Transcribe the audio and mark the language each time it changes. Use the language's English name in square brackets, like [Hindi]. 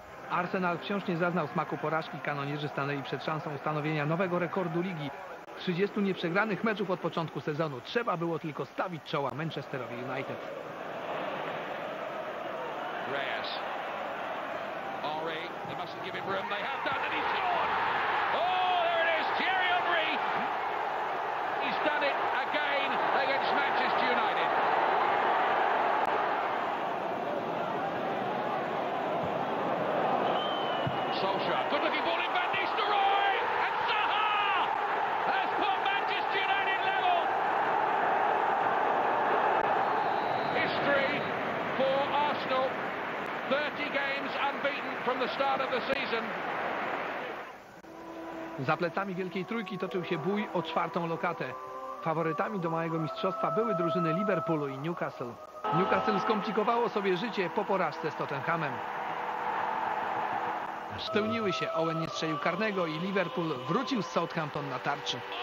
[Polish] Arsenal wciąż nie zaznał smaku porażki. Kanonierzy stanęli przed szansą ustanowienia nowego rekordu ligi. 30 nieprzegranych meczów od początku sezonu. Trzeba było tylko stawić czoła Manchesterowi United. [English] Reyes. Henry. They mustn't give him room. They have done and he's scored. Oh, there it is. Thierry Henry. He's done it again against Manchester United. Solskjaer. Good looking ball in Van Nistelrooy. And Zaha has put Manchester United level. History for Arsenal. 30 games unbeaten from the start of the season. [Polish] Za plecami Wielkiej Trójki toczył się bój o czwartą lokatę. Faworytami do małego mistrzostwa były drużyny Liverpoolu i Newcastle. Newcastle skomplikowało sobie życie po porażce z Tottenhamem. Spełniły się, Owen nie strzelił karnego i Liverpool wrócił z Southampton na tarczy.